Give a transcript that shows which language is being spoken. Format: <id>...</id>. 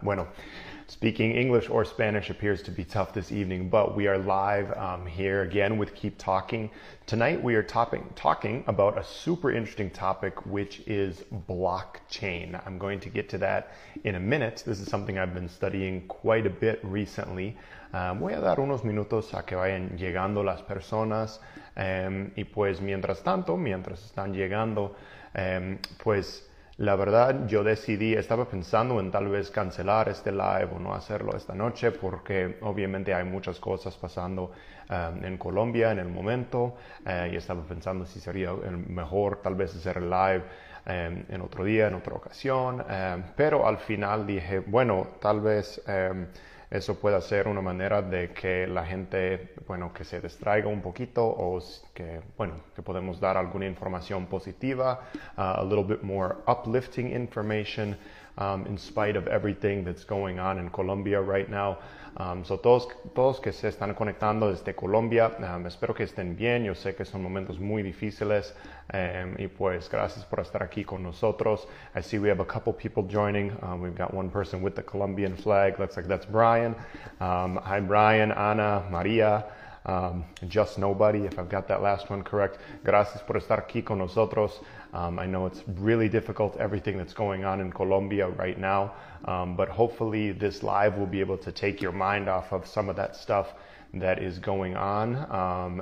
<es>Bueno,</es> <en>speaking English or Spanish appears to be tough this evening, but we are live here again with Keep Talking. Tonight we are talking about a super interesting topic, which is blockchain. I'm going to get to that in a minute. This is something I've been studying quite a bit recently.</en> <es>Voy a dar unos minutos a que vayan llegando las personas. Y pues mientras tanto, mientras están llegando, pues la verdad, yo decidí, estaba pensando en tal vez cancelar este live o no hacerlo esta noche porque obviamente hay muchas cosas pasando en Colombia en el momento y estaba pensando si sería el mejor tal vez hacer el live en otro día, en otra ocasión. Pero al final dije, bueno, tal vez eso pueda ser una manera de que la gente, bueno, que se distraiga un poquito o que, bueno, que podemos dar alguna información positiva,</es> <en>a little bit more uplifting information in spite of everything that's going on in Colombia right now. So</en> <es>todos que se están conectando desde Colombia, espero que estén bien. Yo sé que son momentos muy difíciles y pues gracias por estar aquí con nosotros.</es> <en>I see we have a couple people joining. We've got one person with the Colombian flag. Looks like that's Brian. Hi Brian, Ana, Maria, Just Nobody, if I've got that last one correct.</en> <es>Gracias por estar aquí con nosotros.</es> <en>I know it's really difficult, everything that's going on in Colombia right now, but hopefully this live will be able to take your mind off of some of that stuff that is going on.</en>